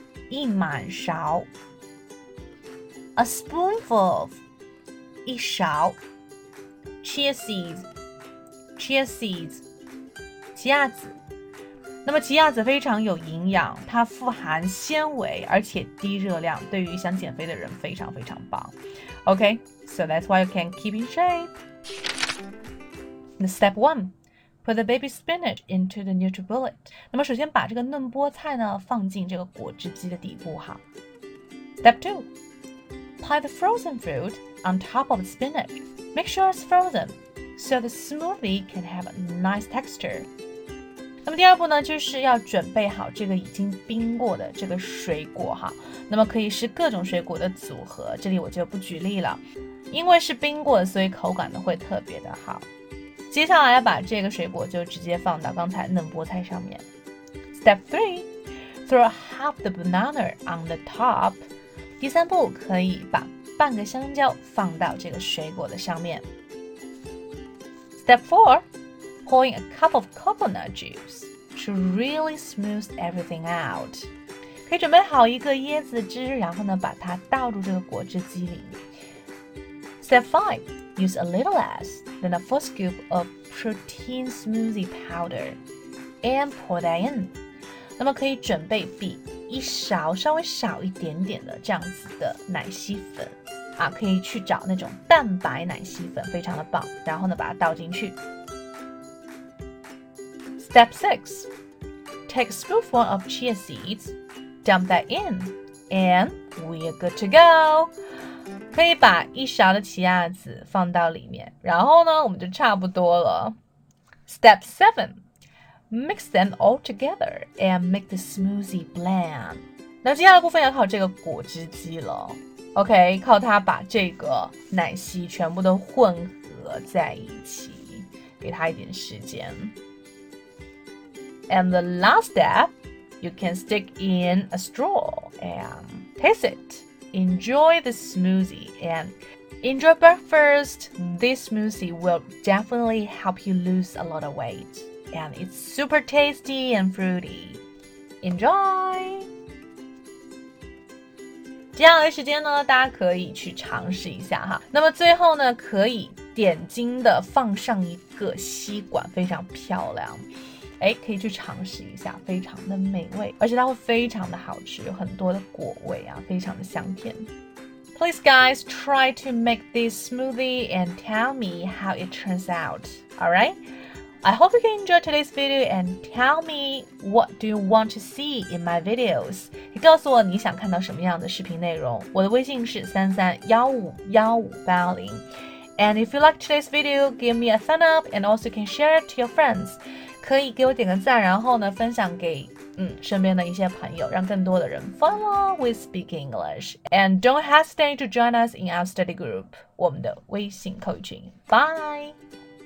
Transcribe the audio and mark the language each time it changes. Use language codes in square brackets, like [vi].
[zh] 一满勺。 [en] A spoonful of, [zh] 一勺。 [en] Chia seeds. [zh] 奇亚籽，那么奇亚籽非常有营养，它富含纤维，而且低热量，对于想减肥的人非常非常棒。 [en] Okay, so that's why you can keep in shape. Step one, put the baby spinach into the Nutribullet. [zh] 那么首先把这个嫩菠菜呢放进这个果汁机的底部哈。 [en] Step two, pile the frozen fruit on top of the spinach. Make sure it's frozen. So the smoothie can have a nice texture. [zh] 那么第二步呢，就是要准备好这个已经冰过的这个水果哈。那么可以是各种水果的组合，这里我就不举例了，因为是冰过的，所以口感呢会特别的好。接下来要把这个水果就直接放到刚才嫩菠菜上面。 [en] Step three, throw half the banana on the top. [zh] 第三步可以把半个香蕉放到这个水果的上面。 [en] Step 4, pouring a cup of coconut juice to really smooth everything out. [zh] 可以准备好一个椰子汁，然后呢把它倒入这个果汁机里面。 [en] Step 5, use a little less than a full scoop of protein smoothie powder and pour that in. [zh] 那么可以准备比一勺稍微少一点点的这样子的奶昔粉。啊，可以去找那种蛋白奶昔粉，非常的棒。然后呢，把它倒进去。 [en] Step 6, take a spoonful of chia seeds, dump that in, and we're good to go. [zh] 可以把一勺的奇亚籽放到里面，然后呢，我们就差不多了。 [en] Step 7, mix them all together and make the smoothie blend. [zh] 那接下来部分要靠这个果汁机了。OK, 靠它把这个奶昔全部都混合在一起，给它一点时间。 [en] And the last step, you can stick in a straw and taste it. Enjoy the smoothie and enjoy breakfast. This smoothie will definitely help you lose a lot of weight. And it's super tasty and fruity. Enjoy! [zh] 接下来时间呢，大家可以去尝试一下哈。那么最后呢，可以点睛的放上一个吸管，非常漂亮。哎，可以去尝试一下，非常的美味，而且它会非常的好吃，有很多的果味啊，非常的香甜。 [en] Please guys, try to make this smoothie and tell me how it turns out. All right, I hope you can enjoy today's video and tell me what do you want to see in my videos. [zh] 告诉我你想看到什么样的视频内容，我的微信是331515580。 [en] And if you like today's video, give me a thumb up and also you can share it to your friends. [zh] 可以给我点个赞，然后呢分享给身边的一些朋友，让更多的人 [en] follow with speak English. And don't hesitate to join us in our study group, [zh] 我们的微信口语群。 [en] Bye!